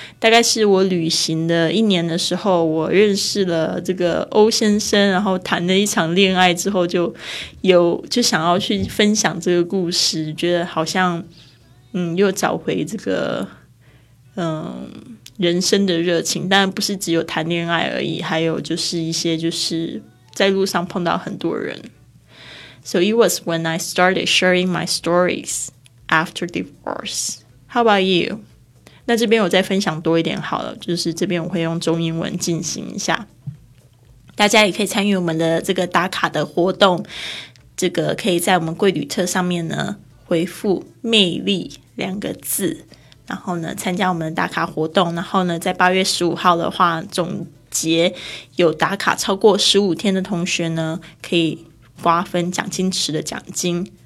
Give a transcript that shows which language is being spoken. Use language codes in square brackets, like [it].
[zh] 大概是我旅行的一年的时候，我认识了这个欧先生，然后谈了一场恋爱之后，就想要去分享这个故事，觉得好像又找回这个人生的热情。当然不是只有谈恋爱而已，还有就是一些就是在路上碰到很多人。 [en] So it was when I started sharing my stories after divorce. How about you? [zh] 那这边我再分享多一点好了，就是这边我会用中英文进行一下，大家也可以参与我们的这个打卡的活动。这个可以在我们贵旅特上面呢回复魅力两个字，然后呢参加我们的打卡活动，然后呢在8月15号的话，总结有打卡超过15天的同学呢可以瓜分奖金池的奖金。